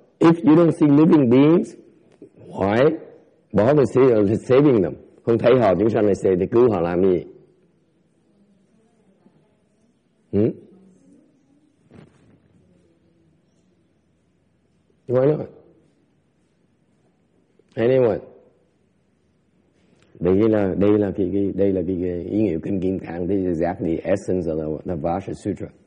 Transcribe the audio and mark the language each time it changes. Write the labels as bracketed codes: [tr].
[en] If you don't see living beings, why bother saving them? [vi] Không thấy họ, chúng sanh lại say thì cứu họ làm gì? [en] Why not? [vi] Anyone? Đây là cái ý nghĩa kinh Kim Cang. [en] This is exactly the essence of the Vajra Sutra.